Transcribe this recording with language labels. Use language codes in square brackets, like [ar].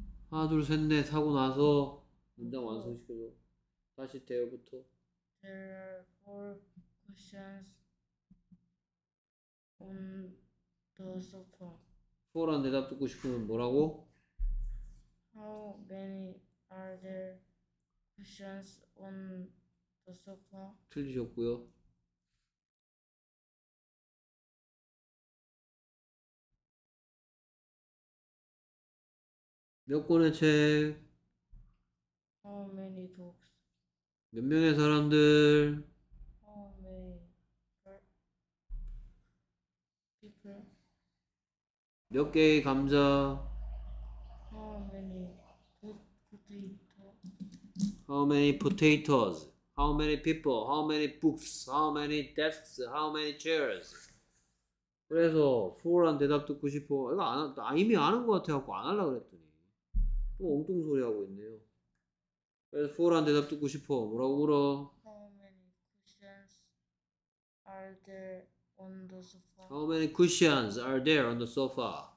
[ko] 하나 둘 셋 넷 하고 나서 문장 완성시켜줘. 다시 대여부터. [en] There are four cushions on the sofa. [ko] 4란 대답 듣고 싶으면 뭐라고? [en] How many are there cushions on the sofa? [ko] 틀리셨고요. 몇 권의 책? [en] How many books? [ko] 몇 명의 사람들? [en] How many people? [ko] 몇 개의 감자? [en] How many potato? How many potatoes? How many people? How many books? How many desks? How many chairs? [ko] 그래서 4란 대답 듣고 싶어. 이거 안, 나 이미 아는 것 같아 갖고 안 하려고 그랬더니 또 엉뚱 소리 하고 있네요. 그래서 4란 대답 듣고 싶어. 뭐라고 물어? [en] How many cushions are there on the sofa? How many cushions are there on the sofa?